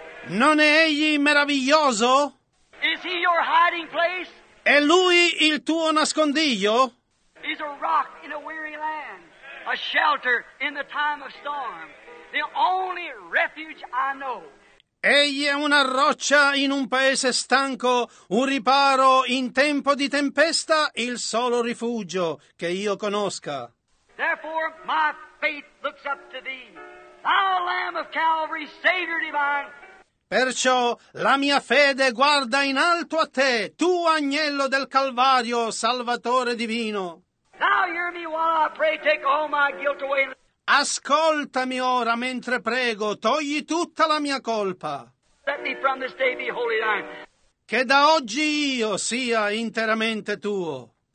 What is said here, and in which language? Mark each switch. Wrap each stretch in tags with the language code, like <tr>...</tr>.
<it>Non è egli meraviglioso?</it> <en>Is he your hiding place?</en> <it>È lui il tuo nascondiglio?</it> <en>He's a rock in a weary land, a shelter in the time of storm, the only refuge I know.</en> <it>Egli è una roccia in un paese stanco, un riparo in tempo di tempesta, il solo rifugio che io conosca.</it> <en>Therefore, my faith looks up to thee, thou Lamb of Calvary, Savior divine.</en> <it>Perciò la mia fede guarda in alto a te, tu agnello del Calvario, Salvatore divino.</it> <en>Now hear me while I pray, take all my guilt away.</en> <it>Ascoltami ora mentre prego, togli tutta la mia colpa.</it> <en>Let me from this day be wholly thine.</en> <it>Che da oggi io sia interamente tuo.</it>